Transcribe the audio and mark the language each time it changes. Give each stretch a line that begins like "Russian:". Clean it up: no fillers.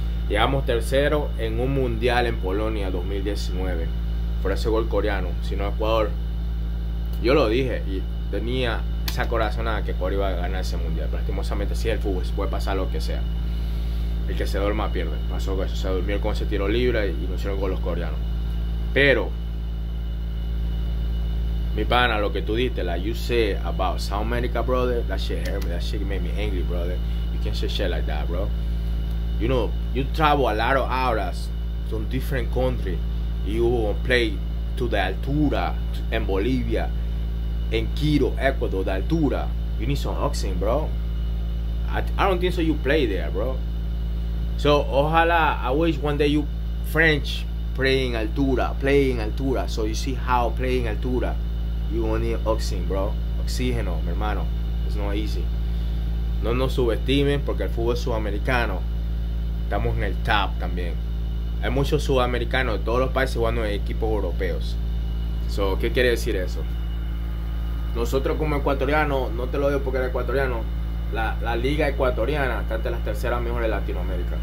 Spanish: Llegamos tercero en un mundial en Polonia 2019. Fue ese gol coreano, sino Ecuador. Yo lo dije y tenía esa corazonada que Ecuador iba a ganar ese mundial. Lastimosamente, si sí, el fútbol puede pasar lo que sea, el que se duerma pierde. Pasó que eso, se durmió con ese tiro libre y no hicieron gol los coreanos. Pero mi pana, lo que tú diste, la
English: like you say about South America, brother, that shit hurt me, that shit made me angry, brother. You can't say shit like that, bro. You know, you travel a lot of hours from different countries. You play to the altura en Bolivia, en Quito, Ecuador,
Spanish: de altura.
English: You need some oxygen, bro. I don't think so you play there, bro. So, ojalá, I wish one day you French playing altura, so you see how playing altura. You only need oxygen, bro.
Spanish: Oxígeno, mi hermano.
English: It's not easy.
Spanish: No nos subestimen porque el fútbol sudamericano estamos en el top también. Hay muchos sudamericanos de todos los países jugando en equipos europeos. So, ¿qué quiere decir eso? Nosotros como ecuatorianos, no te lo digo porque eres ecuatoriano, la liga ecuatoriana está entre las terceras mejores de Latinoamérica.